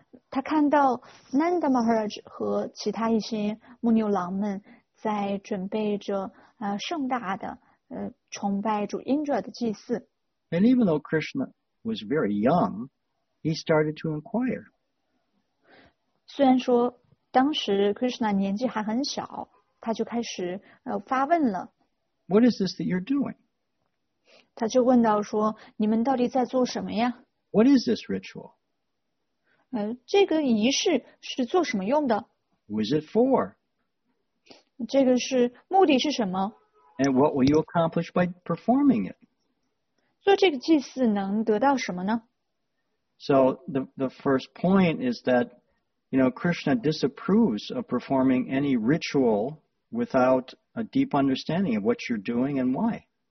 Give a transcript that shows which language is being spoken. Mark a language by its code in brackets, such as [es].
[zh] 他看到 Nanda Maharaj 和其他一些牧牛郎们在准备着盛大的崇拜主 Indra 的祭祀。 [en] And even though Krishna was very young, he started to inquire. [zh] 虽然说当时 Krishna 年纪还很小，他就开始发问了。 [en] What is this that you're doing? [zh] 他就问到说，你们到底在做什么呀？ [en] What is this ritual? [zh] 这个仪式是做什么用的？ [en] Who is it for? [zh] 这个是目的是什么？ [en] And what will you accomplish by performing it? [zh] 做这个祭祀能得到什么呢？ [en] So the first point is that, you know, Krishna disapproves of performing any ritual without a deep understanding of what you're doing and why.